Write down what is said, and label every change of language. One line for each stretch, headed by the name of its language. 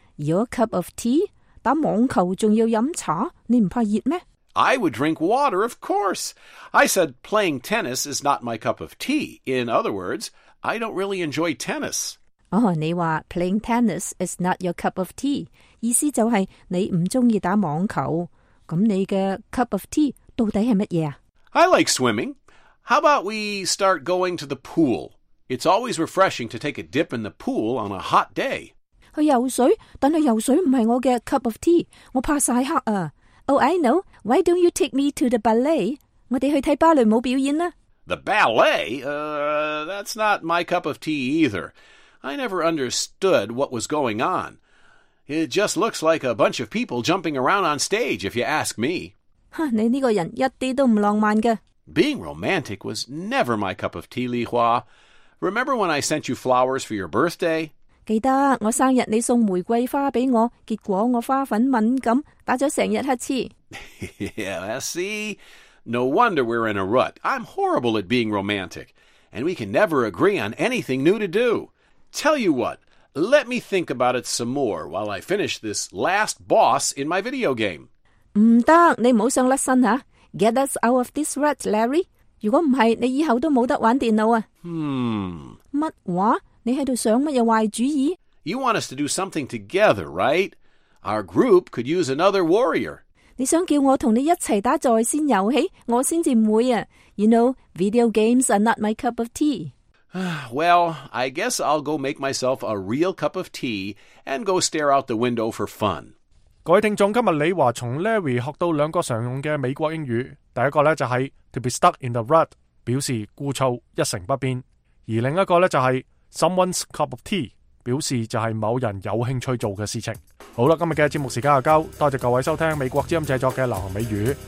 English: Your cup of tea?
Cantonese: 打网球仲要飲茶？你唔怕熱咩？
English: I would drink water, of course. I said playing tennis is not my cup of tea. In other words, I don't really enjoy tennis.
Cantonese: 哦，你话
English: playing tennis is not your cup of tea，
Cantonese: 意思就系你唔中意打网球。咁你嘅 cup of tea 到底系乜嘢啊
English: ？I like swimming. How about we start going to the pool? It's always refreshing to take a dip in the pool on a hot day.
Cantonese: 去游水，但系游水唔系我嘅 cup of tea， 我怕晒黑啊。
English: Oh, I know. Why don't you take me to the ballet?
Cantonese: 我哋去睇芭蕾舞表演啦。
English: The ballet? That's not my cup of tea either. I never understood what was going on. It just looks like a bunch of people jumping around on stage, if you ask me.
Cantonese: 哈，你呢个人一啲都唔浪漫嘅。
English: Being romantic was never my cup of tea, Li Hua. Remember when I sent you flowers for your birthday?
Cantonese: 记得我生日你送玫瑰花俾我，结果我花粉敏感，打咗成日黑黐。
English: Yeah, see? No wonder we're in a rut. I'm horrible at being romantic, and we can never agree on anything new to do. Tell you what, let me think about it some more while I finish this last boss in my video game.
Cantonese: 唔得，你唔好想甩身吓。
English: Get us out of this rut, Larry.
Cantonese: 如果唔系，你以后都冇得玩电脑啊。乜话？你喺度想乜嘢坏主意
English: ？You want us to do something together, right? Our group could use another warrior.
Cantonese: 你想叫我同你一齐打在线游戏，我先至唔会啊。
English: You know, video games are not my cup of tea. Well, I guess I'll go make myself a real cup of tea and go stare out the window for fun.
Cantonese: 各位听众，今日李华从 Larry 学到两个常用嘅美国英语。第一个咧就系 to be stuck in the rut， 表示固躁一成不变；而另一个咧就系 someone's cup of tea， 表示就系某人有兴趣做嘅事情。好啦，今日嘅节目时间就够，多谢各位收听美国之音制作嘅流行美语。